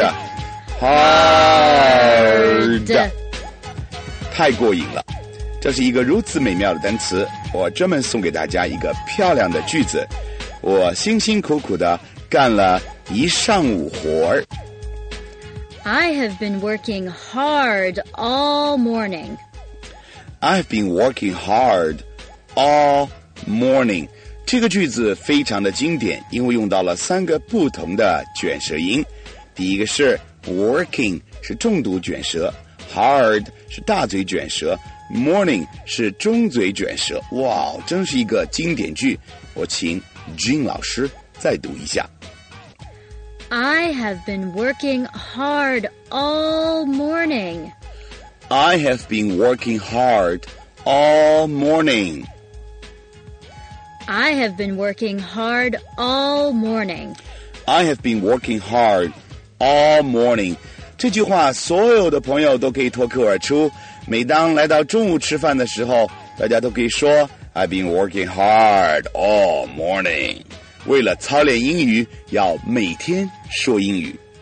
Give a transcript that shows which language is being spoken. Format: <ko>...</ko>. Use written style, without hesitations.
<en>Hard. Hard.</en> <zh>太过瘾了，这是一个如此美妙的单词，我专门送给大家一个漂亮的句子。我辛辛苦苦地干了一上午活儿。</zh> <en>I have been working hard all morning. I've been working hard all morning.</en> <zh>这个句子非常的经典，因为用到了三个不同的卷舌音。第一个是 working 是重读卷舌， hard 是大嘴卷舌， morning 是中嘴卷舌。哇，真是一个经典句，我请Jean 老师再读一下。</zh> <en>I have been working hard all morning. I have been working hard all morning. I have been working hard all morning. I have been working hard all morning.</en> <zh>这句话所有的朋友都可以脱口而出，每当来到中午吃饭的时候，大家都可以说</zh> <en>I've been working hard all morning.</en> <zh>为了操练英语，要每天说英语。</zh>